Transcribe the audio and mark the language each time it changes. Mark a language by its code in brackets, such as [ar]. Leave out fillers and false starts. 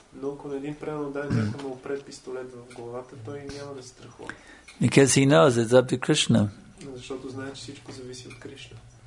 [bg] Но ако един правилно даде някому пред пистолет в главата, той няма да се страхува. [en] Because he knows it's up to Krishna. [bg] Защото знае, че всичко зависи от Кришна.